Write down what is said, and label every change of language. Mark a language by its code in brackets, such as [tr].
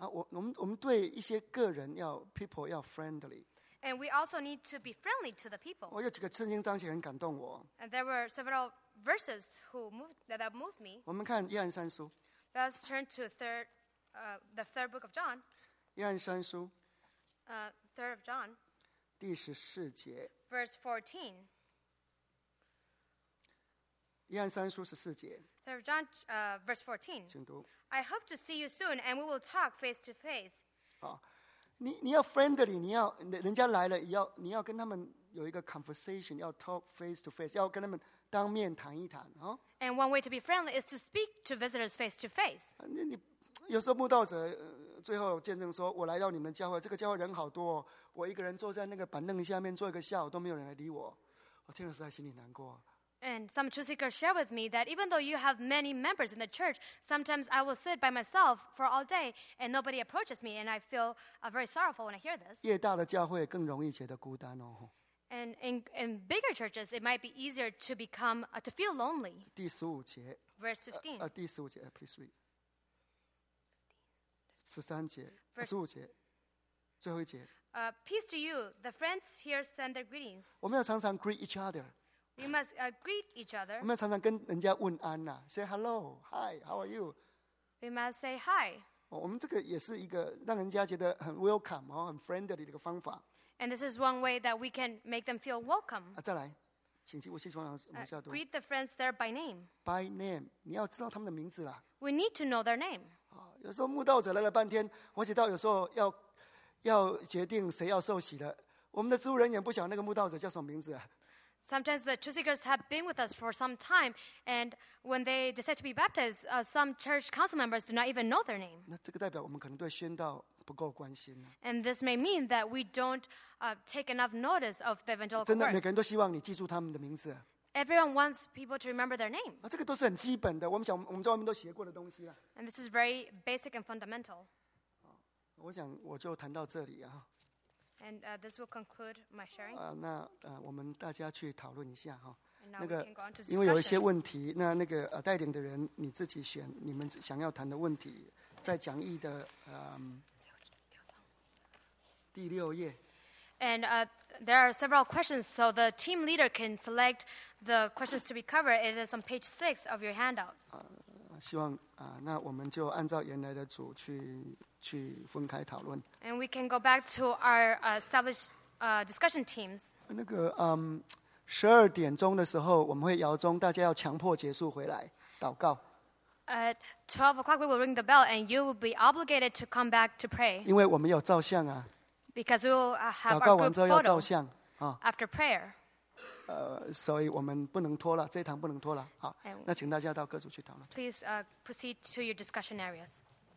[zh] 我们对一些个人要 people 要 friendly. [en] And we also need to be friendly to the people. [zh] 有几个圣经章节很感动我。 [en] And there were several verses that moved me. [zh] 我们看约翰三书。 [en] Let's turn to the third book of John. [zh] 约翰三书。 [en] Third of John. [zh] 第十四节。 [en] Verse 14. [zh] 约翰三书十四节。 [en] Third John, verse 14. [zh] 请读。 [en] I hope to see you soon, and we will talk face to face. [zh] 好，你要 friendly， 你要人家来了，你要跟他们有一个 conversation， 要 [en] talk face to face， [zh] 要跟他们当面谈一谈，哦。 [en] And one way to be friendly is to speak to visitors face to face. [zh] 你有时候慕道者最后见证说，我来到你们教会，这个教会人好多，我一个人坐在那个板凳下面坐一个下午都没有人来理我，我听了实在心里难过。 [en] And some truth seekers share with me that even though you have many members in the church, sometimes I will sit by myself for all day and nobody approaches me, and I feel very sorrowful when I hear this. [zh] 越大的教会更容易觉得孤单哦。 [en] And in bigger churches, it might be easier to become to feel lonely. [zh] 第十五节。 [en] Verse 15. [zh] 第十五节 ， [en] please read. [zh] 十三节，十五节，最后一节。 [en] Peace to you. The friends here send their greetings. [zh] 我们要常常 [en] greet each other. We must greet each other. [zh] 我们要常常跟人家问安呐 ， [en] say hello, hi, how are you? We must say hi. [zh] 我们这个也是一个让人家觉得很 welcome 哦，很 friendly 的一个方法。 [en] And this is one way that we can make them feel welcome. [zh] 再来，请继续往下读。 [en] Greet the friends there by name. By name， [zh] 你要知道他们的名字啦。 [en] We need to know their name. [zh] 有时候慕道者来了半天，我知道有时候要决定谁要受洗了，我们的职务人员不晓得那个慕道者叫什么名字。 [en] Sometimes the truth seekers have been with us for some time, and when they decide to be baptized, some church council members do not even know their name. [zh] 那这个代表我们可能对宣道不够关心。 [en] And this may mean that we don't take enough notice of the evangelical work. [zh] 真的，每个人都希望你记住他们的名字。 [en] Everyone wants people to remember their name. [zh] 这个都是很基本的，我们在外面都学过的东西啦。 [en] And this is very basic and fundamental. [zh] 我想我就谈到这里啊。 [en] And this will conclude my sharing. [zh] 那我们大家去讨论一下哈。那个，因为有一些问题，那个带领的人你自己选，你们想要谈的问题，在讲义的第六页。 [en] And there are several questions, so the team leader can select the questions to be covered. It is on page 6 of your handout. [zh] 希望那我们就按照原来的组去分开讨论。 [en] And we can go back to our established discussion teams. [zh] 那个12点钟的时候，我们会摇钟，大家要强迫结束回来祷告。 [en] At 12 o'clock, we will ring the bell, and you will be obligated to come back to pray. [zh] 因为我们有照相啊。 [en] Because we will have our group photo. [zh] 祷告完之后要照相啊。 [en] After prayer. [zh] 所以我们不能拖了，这一堂不能拖了。好，那请大家到各组去讨论。 [en] Please proceed to your discussion areas.